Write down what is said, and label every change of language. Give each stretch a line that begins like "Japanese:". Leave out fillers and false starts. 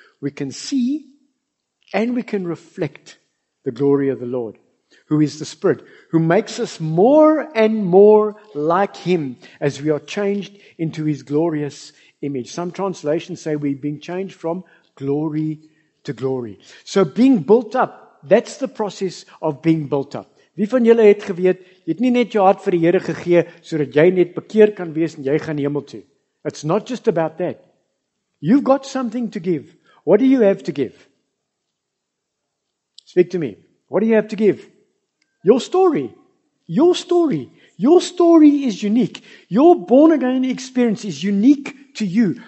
English: We can see and we can reflect the glory of the Lord, who is the Spirit, who makes us more and more like Him as we are changed into His glorious image. Some translations say we've been changed from glory to glory. So being built up, that's the process of being built up.
Afrikaans: Wie van julle het geweet, jy het nie net jou hart vir die Here gegee sodat jy net bekeer kan wees en jy gaan hemel toe.
English: It's not just about that. You've got something to give. What do you have to give? Speak to me. What do you have to give? Your story. Your story. Your story is unique. Your born again experience is unique to you.